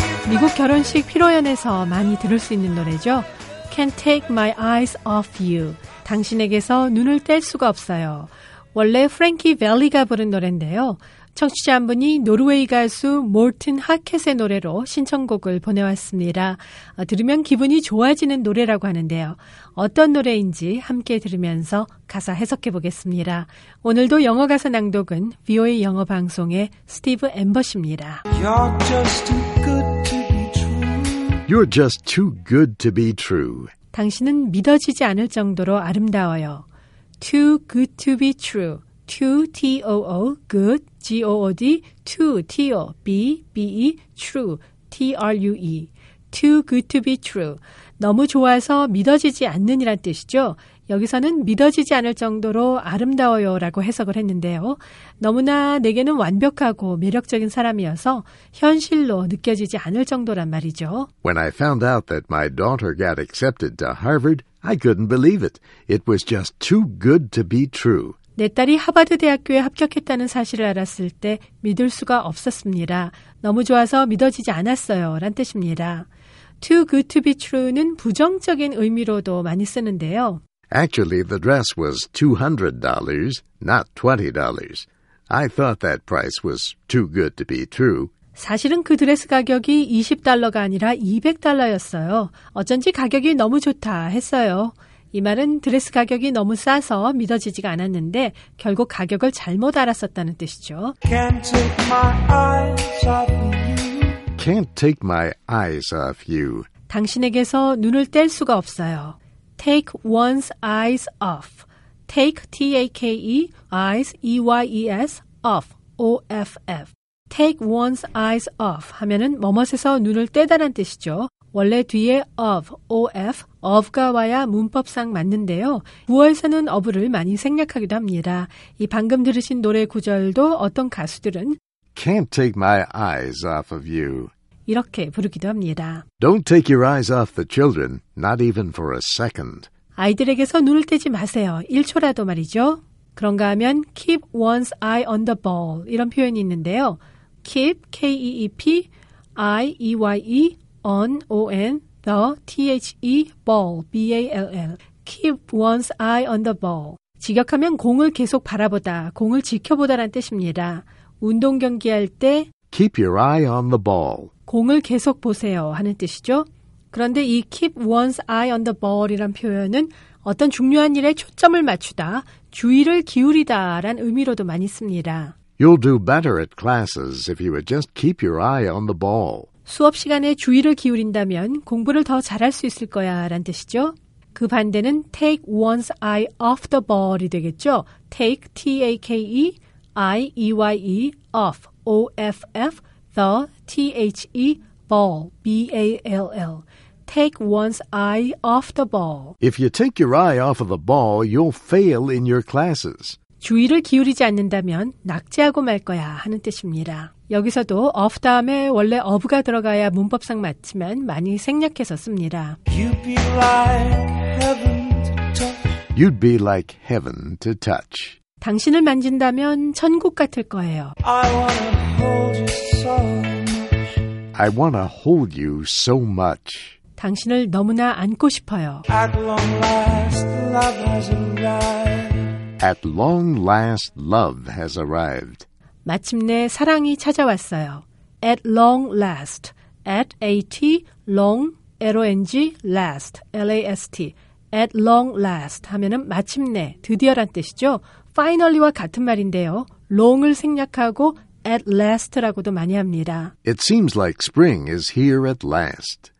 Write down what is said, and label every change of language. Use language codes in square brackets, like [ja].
[ko] 미국 결혼식 피로연에서 많이 들을 수 있는 노래죠. [en] Can't take my eyes off you. [ko] 당신에게서 눈을 뗄 수가 없어요. 원래 프랭키 벨리가 부른 노래인데요. 청취자 한 분이 노르웨이 가수 몰튼 하켓의 노래로 신청곡을 보내왔습니다. 들으면 기분이 좋아지는 노래라고 하는데요. 어떤 노래인지 함께 들으면서 가사 해석해 보겠습니다. 오늘도 영어 가사 낭독은 VOA 영어 방송의 스티브 엠버시입니다. [en] You're just too good to be true. You're just too good to be true. [ko] 당신은 믿어지지 않을 정도로 아름다워요. [en] Too good to be true. T-O-O, good, G-O-O-D, too, T-O, B-B-E, true, T-R-U-E, too good to be true. [ko] 너무 좋아서 믿어지지 않는이란 뜻이죠. 여기서는 믿어지지 않을 정도로 아름다워요 라고 해석을 했는데요. 너무나 내게는 완벽하고 매력적인 사람이어서 현실로 느껴지지 않을 정도란 말이죠. [en] When I found out that my daughter got accepted to Harvard, I couldn't believe it. It was just too good to be true. [ko] 내 딸이 하버드 대학교에 합격했다는 사실을 알았을 때 믿을 수가 없었습니다. 너무 좋아서 믿어지지 않았어요. 라는 뜻입니다. [en] Too good to be true [ko] 는 부정적인 의미로도 많이 쓰는데요. [en] Actually, the dress was $200, not $20. I thought that price was too good to be true. [ko] 사실은 그 드레스 가격이 $20가 아니라 $200였어요. 어쩐지 가격이 너무 좋다 했어요. 이 말은 드레스 가격이 너무 싸서 믿어지지가 않았는데 결국 가격을 잘못 알았었다는 뜻이죠. [en] Can't take my eyes off you. Can't take my eyes off you. [ko] 당신에게서 눈을 뗄 수가 없어요. [en] Take one's eyes off. Take, T-A-K-E, eyes, E-Y-E-S, off, O-F-F. Take one's eyes off [ko] 하면은 뭐뭇에서 눈을 떼다란 뜻이죠. 원래 뒤에 of, of, of가 와야 문법상 맞는데요. 구어에서는 of를 많이 생략하기도 합니다. 이 방금 들으신 노래 구절도 어떤 가수들은 [en] Can't take my eyes off of you. [ko] 이렇게 부르기도 합니다. [en] Don't take your eyes off the children, not even for a second. [ko] 아이들에게서 눈을 떼지 마세요. 1초라도 말이죠. 그런가 하면 [en] keep one's eye on the ball [ko] 이런 표현이 있는데요. [en] keep, K-E-E-P, I-E-Y-E, on, O-N, the, T-H-E, ball, B-A-L-L. keep one's eye on the ball. [ko] 직역하면 공을 계속 바라보다, 공을 지켜보다란 뜻입니다. 운동 경기할 때 [en] keep your eye on the ball. [ko] 공을 계속 보세요 하는 뜻이죠. 그런데 이 [en] keep one's eye on the ball [ko] 이란 표현은 어떤 중요한 일에 초점을 맞추다, 주의를 기울이다란 의미로도 많이 씁니다. [en] You'll do better at classes if you would just keep your eye on the ball. [ko] 수업 시간에 주의를 기울인다면 공부를 더 잘할 수 있을 거야 라는 뜻이죠. 그 반대는 [en] take one's eye off the ball [ko] 이 되겠죠. [en] Take, T-A-K-E, I-E-Y-E, off, O-F-F, the, T-H-E, ball, B-A-L-L. Take one's eye off the ball. If you take your eye off of the ball, you'll fail in your classes. [ko] 주의를 기울이지 않는다면 낙제하고 말 거야 하는 뜻입니다. 여기서도 of 다음에 원래 of가 들어가야 문법상 맞지만 많이 생략해서 씁니다. [en] You'd be like heaven to touch. You'd be like heaven to touch. [ko] 당신을 만진다면 천국 같을 거예요. [en] I wanna hold you so much. I wanna hold you so much. [ko] 당신을 너무나 안고 싶어요. [en] At long last, love has arrived. At long last, love has arrived. [ko] 마침내 사랑이 찾아왔어요. [en] At long last. At A-T, long, L-O-N-G, last, L-A-S-T. At long last [ko] 하면은 마침내, 드디어란 뜻이죠. Finally와 같은 말인데요. long을 생략하고 [en] at last [ko] 라고도 많이 합니다. [en] It seems like spring is here at last.